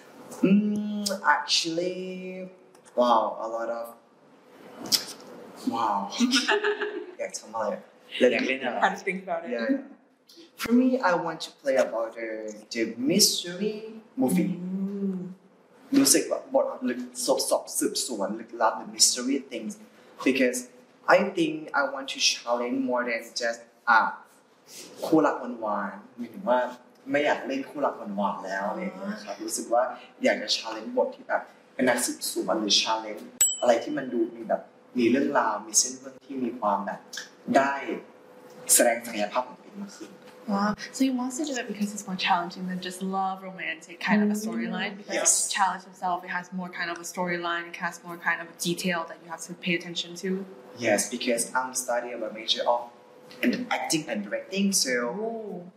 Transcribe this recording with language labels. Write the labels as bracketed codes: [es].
[en] Mm, Actually, wow, a lot of wow. Yeah, it's familiar. Let me think about it. For me, I want to play about the mystery movie. Music, but the mystery things, because I think I want to challenge more than just [th] คู่รักหวานหวานหมายถึงว่าไม่อยากเล่นคู่รักหวานหวานแล้วเลยนะครับรู้สึกว่าอยากจะ challenge บทที่แบบเป็นนักสืบสวนหรือ challenge อะไรที่มันดูมีแบบมีเรื่องราวมีเส้นเรื่องที่มีความแบบได้แสดงศักยภาพของตัวเองมากขึ้น [en] Wow. So you want to do it because it's more challenging than just love, romantic kind of a storyline? Because yes. Challenge itself, it has more kind of a storyline, it has more kind of a detail that you have to pay attention to. Yes, because I'm studying a major of acting and directing, so Ooh.